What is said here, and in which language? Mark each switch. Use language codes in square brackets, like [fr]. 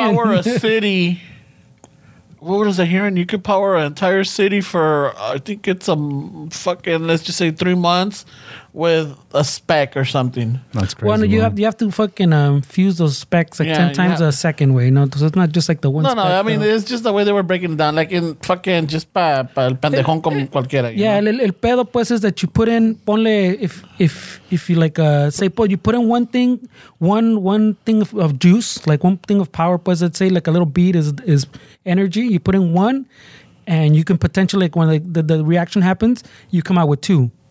[en] could power a city. What is it hearing? You could power an entire city for, I think it's a fucking, let's just say 3 months with a speck or something. That's crazy. Well, you have to fucking fuse those specks like 10 times a second way. No, so it's not just like the one speck. No, I mean, it's just the way they were breaking it down. Like in fucking just [es] pa el pendejón como cualquiera. [en] Yeah, know? [es] El pedo pues [en] is that you put in, ponle, if you like, say, pues, you put in one thing of juice, like one thing of power, pues, let's say like a little bead is energy. You put in one and you can potentially, like when the reaction happens, you come out with two.